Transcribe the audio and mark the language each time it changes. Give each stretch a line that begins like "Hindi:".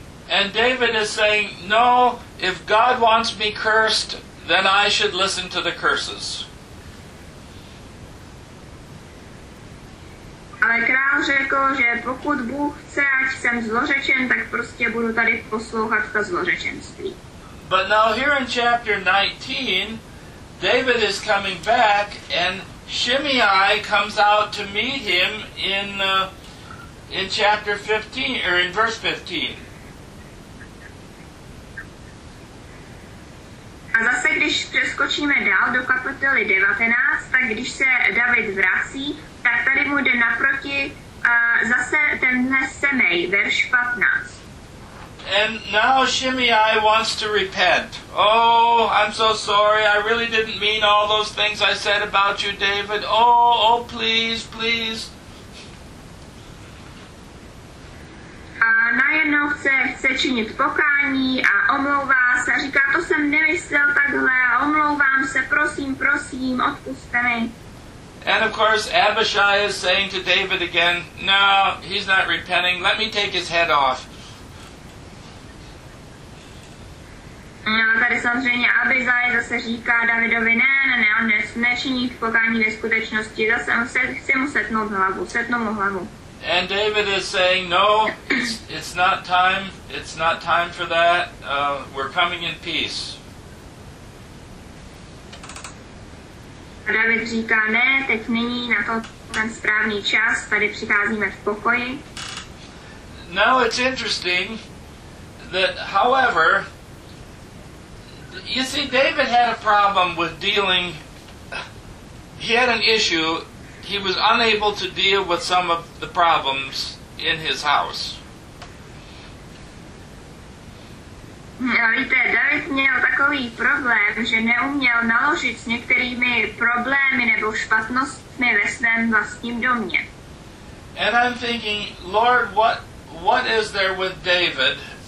English: And David is saying, no, if God wants me cursed, then I should listen to the curses.
Czech: Ale král řekl, že pokud Bůh chce, ať jsem zlořečen, tak prostě budu tady poslouchat to zlořečenství.
English: But now here in chapter 19, David is coming back, and Shimei comes out to meet him in chapter 15, or in verse 15.
Czech: A zase, když přeskočíme dál do kapitoly 19, tak když se David vrací, tak tady mu jde naproti zase tenhle Šimei, verš 15.
English: And now Shimei wants to repent. Oh, I'm so sorry. I really didn't mean all those things I said about you, David. Oh, please, please.
Czech: Najednou chce činit pokání a omlouvá se. Říká, to jsem nemyslel takhle. Omlouvám se, prosím, odpusťte mi.
English: And of course, Abishai is saying to David again, no, he's not repenting. Let me take his head off.
Czech: No, tady samozřejmě Abizaj zase říká Davidovi, ne, on nečiní v pokání ve skutečnosti, zase on chce mu setnout mu hlavu.
English: And David is saying, no, it's not time for that, we're coming in peace.
Czech: A David říká, ne, teď není na to ten správný čas, tady přicházíme v pokoji.
English: Now it's interesting that, however, you see, David had a problem with dealing, he had an issue, he was unable to deal with some of the problems in his house.
Czech: Víte, David měl takový problém, že neuměl naložit s některými problémy nebo špatnostmi ve svém vlastním domě.
English: And I'm thinking, Lord, what is there with David?